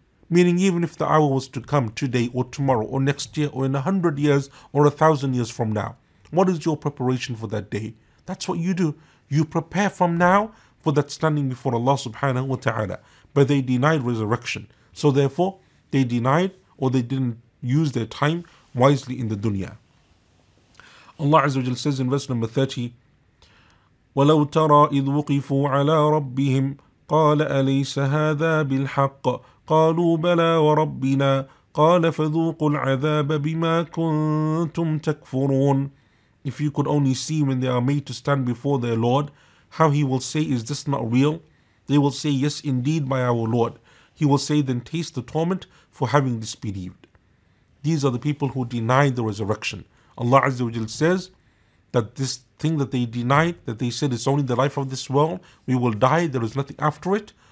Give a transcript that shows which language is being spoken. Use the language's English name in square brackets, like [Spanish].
[English] Meaning even if the hour was to come today or tomorrow or next year or in 100 years or 1,000 years from now, what is your preparation for that day? That's what you do. You prepare from now for that standing before Allah subhanahu wa ta'ala. But they denied resurrection. So therefore, they denied or they didn't use their time wisely in the dunya. Allah Azza wa Jal says in verse number 30, [Arabic] وَلَوْ تَرَى إِذْ وُقِفُوا عَلَىٰ رَبِّهِمْ قَالَ أَلَيْسَ هَذَا بِالْحَقِّ قَالُوا بَلَىٰ وَرَبِّنَا قَالَ فَذُوقُوا الْعَذَابَ بِمَا كُنْتُمْ تَكْفُرُونَ. [English] If you could only see when they are made to stand before their Lord, how He will say, is this not real? They will say, yes, indeed, by our Lord. He will say, then taste the torment for having disbelieved. These are the people who denied the resurrection. Allah Azza wa Jal says that this thing that they denied, that they said it's only the life of this world, we will die, there is nothing after it.